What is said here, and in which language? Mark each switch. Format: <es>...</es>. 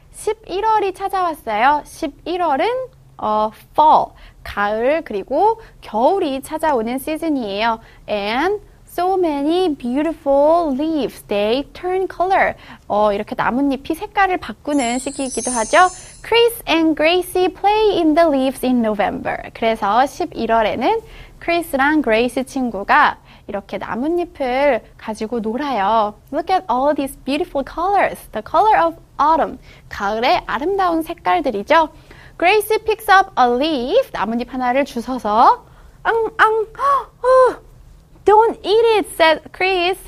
<ko>11월이 찾아왔어요. 11월은 fall, 가을 그리고 겨울이 찾아오는 시즌이에요.</ko> <en>And so many beautiful leaves. They turn color.</en> <ko>이렇게 나뭇잎이 색깔을 바꾸는 시기이기도 하죠.</ko> <en>Chris and Gracie play in the leaves in November.</en> <ko>그래서 11월에는 크리스랑 그레이스 친구가 이렇게 나뭇잎을 가지고 놀아요.</ko> <en>Look at all these beautiful colors. The color of autumn.</en> <ko>가을의 아름다운 색깔들이죠.</ko> <en>Gracie picks up a leaf.</en> <ko>나뭇잎 하나를 주워서</ko> <en>Don't eat it, said Chris.</en>